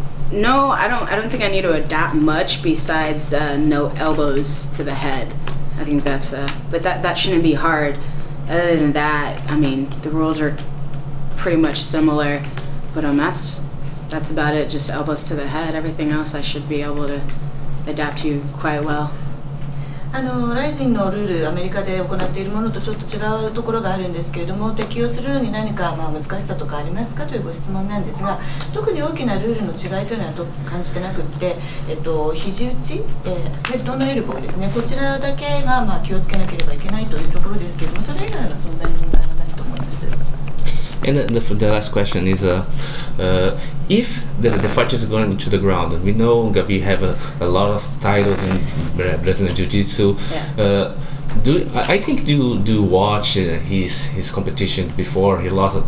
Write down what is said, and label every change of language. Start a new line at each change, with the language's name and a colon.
English: No, I don't think I need to adapt much besides no elbows to the head. I think that's but that shouldn't be hard. Other than that, I mean, the rules are pretty much similar. But that's about it, just elbows to the head. Everything else I should be able to adapt to quite well.
Japanese: Rizin のルール、アメリカで行っているものとちょっと違うところがあるんですけれども、適用するのに何か、まあ、難しさとかありますかというご質問なんですが、特に大きなルールの違いというのはと感じてなくって、肘打ち、ヘッドのエルボーですね、こちらだけが、まあ、気をつけなければいけないというところですけれども、それ以外はそんなに問題はないと思います。
English: And the last question is, if the fight is going to the ground, we know that we have a lot of titles in Brazilian Jiu-Jitsu. Yeah. I think do watch his competition before he lost.